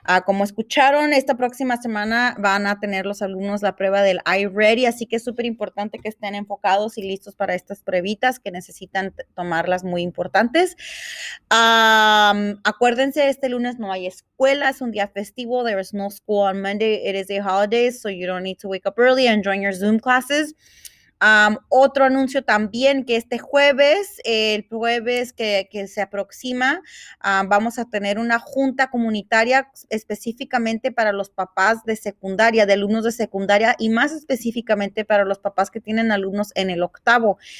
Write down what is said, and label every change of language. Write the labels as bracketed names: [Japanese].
[Spanish] Como escucharon, esta próxima semana van a tener los alumnos la prueba del iReady, así que es súper importante que estén enfocados y listos para estas pruebitas que necesitan tomarlas muy importantes. Acuérdense, este lunes no hay escuela, es un día festivo. [English] There is no school on Monday. It is a holiday, so you don't need to wake up early and join your Zoom classes. [Spanish] Otro anuncio también que este jueves, el jueves que se aproxima, vamos a tener una junta comunitaria específicamente para los papás de secundaria, de alumnos de secundaria y más específicamente para los papás que tienen alumnos en el octavo.